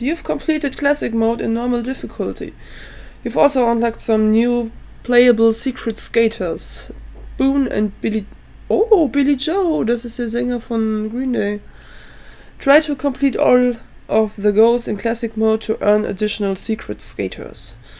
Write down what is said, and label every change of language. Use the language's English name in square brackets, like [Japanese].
[English] You've completed Classic Mode in normal difficulty. You've also unlocked some new playable secret skaters. Boone and Billy... Oh, Billy Joe! [German] Das ist der Sänger von Green Day. [English] Try to complete all of the goals in Classic Mode to earn additional secret skaters.